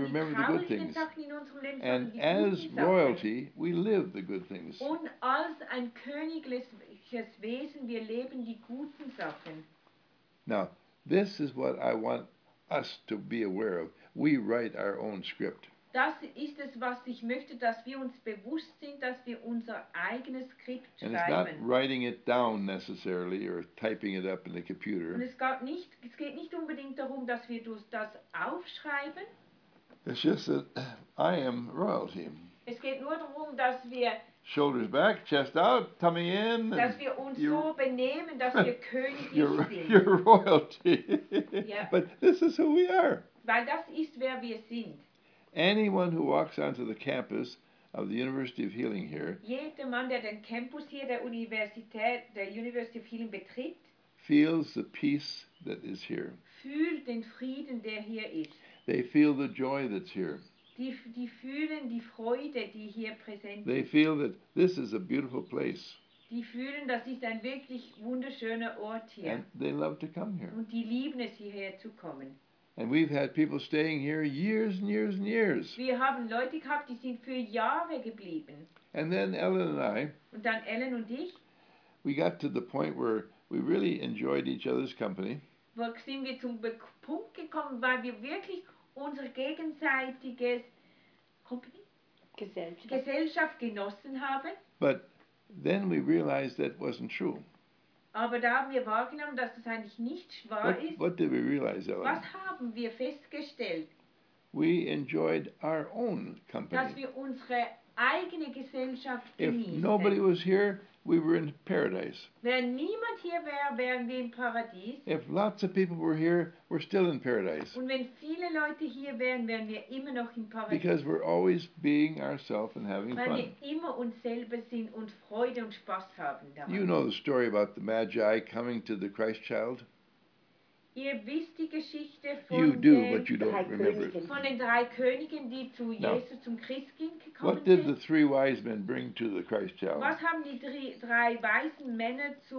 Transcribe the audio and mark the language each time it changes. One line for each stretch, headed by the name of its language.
English: we remember the good things.
German: Sachen in unserem Leben,
English: and as royalty, we live the good things.
German: Und als ein königliches Wesen, wir leben die guten Sachen.
English: Now, this is what I want us to be aware of. We write our own script.
German: Das ist es, was ich möchte, dass wir uns bewusst sind, dass wir unser eigenes Skript schreiben.
English: And it's not writing it down necessarily or typing it up in the computer.
German: Und es geht nicht unbedingt darum, dass wir das aufschreiben.
English: It's just that I am royalty.
German: Es geht nur darum, dass wir
English: shoulders back, chest out, tummy in.
German: Dass wir uns so benehmen, dass wir königlich sind.
English: You're royalty. Yeah. But this is who we are.
German: Weil das ist, wer wir sind.
English: Anyone who walks onto the campus of the University of Healing here,
German: jeder Mann, der den Campus hier der Universität, der University of Healing betritt,
English: feels the peace that is here.
German: Fühlt den Frieden, der hier ist.
English: They feel the joy that's here.
German: Die fühlen die Freude, die hier präsent ist.
English: They feel that this is a beautiful place.
German: Die fühlen, das ist ein wirklich wunderschöner Ort hier.
English: And they love to come here.
German: Und die lieben es, hierher zu kommen.
English: And we've had people staying here years and years and years.
German: Wir haben Leute gehabt, die sind für Jahre geblieben.
English: And then Ellen and I.
German: Und dann Ellen und ich.
English: We got to the point where we really enjoyed each other's company.
German: Wo sind wir zum Punkt gekommen, weil wir wirklich unser gegenseitiges Company? Gesellschaft genossen haben.
English: But then we realized that wasn't true.
German: Aber da haben wir wahrgenommen, dass das eigentlich nicht wahr ist.
English: What did we realize, Ellen?
German: Was haben wir festgestellt?
English: We enjoyed our own company.
German: Dass wir unsere eigene Gesellschaft genießen.
English: If nobody was here, we were in paradise.
German: Wenn niemand hier wäre, wären wir im Paradies.
English: If lots of people were here, we're still in paradise.
German: Und wenn viele Leute hier wären, wären wir immer noch im Paradies.
English: Because we're always being ourselves and having
German: Weil
English: fun.
German: Weil wir immer uns selber sind und Freude und Spaß haben dabei.
English: You know the story about the Magi coming to the Christ child?
German: Ihr wisst die Geschichte von
English: you do,
German: den
English: but you don't
German: drei
English: remember
German: Königen. Von den drei Königen, die zu Jesus, zum Christkind gekommen sind.
English: What did the three wise men bring to the Christ child?
German: Was haben die drei weisen Männer zu